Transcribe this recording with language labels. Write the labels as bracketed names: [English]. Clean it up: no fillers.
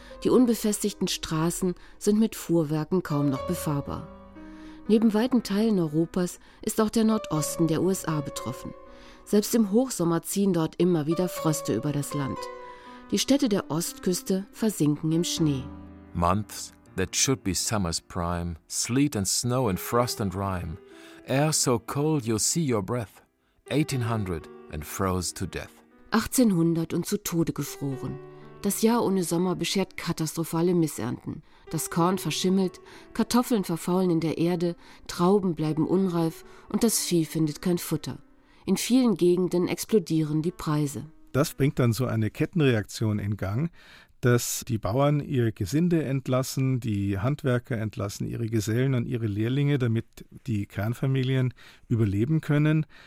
[German] Die unbefestigten Straßen sind mit Fuhrwerken kaum noch befahrbar. Neben weiten Teilen Europas ist auch der Nordosten der USA betroffen. Selbst im Hochsommer ziehen dort immer wieder Fröste über das Land. Die Städte der Ostküste versinken im Schnee. [English] Months that should be summer's prime, sleet and snow and frost and rime, air so cold you'll see your breath, 1800 and froze to death. [German] 1800 und zu Tode gefroren. Das Jahr ohne Sommer beschert katastrophale Missernten. Das Korn verschimmelt, Kartoffeln verfaulen in der Erde, Trauben bleiben unreif und das Vieh findet kein Futter. In vielen Gegenden explodieren die Preise. Das bringt dann so eine Kettenreaktion in Gang, dass die Bauern ihr Gesinde entlassen, die Handwerker entlassen ihre Gesellen und ihre Lehrlinge, damit die Kernfamilien überleben können.